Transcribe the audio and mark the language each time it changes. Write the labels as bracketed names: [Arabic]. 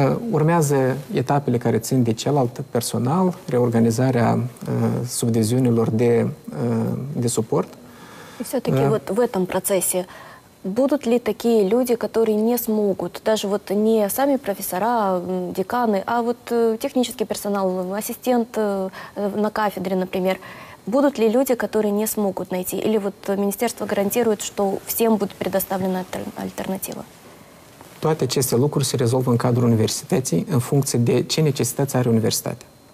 [Romanian] Urmează etapele care țin de celălalt personal, reorganizarea subdiviziunilor de suport. [Russian] Все-таки вот в этом процессе будут ли такие люди, которые не смогут, даже вот не сами профессора, деканы, а вот технический персонал, ассистент на кафедре, например, будут ли люди, которые не смогут найти? Или вот министерство гарантирует, что всем будет предоставлена альтернатива? [Romanian] Toate aceste lucruri se rezolvă în cadrul universității în funcție de ce necesități are universitatea.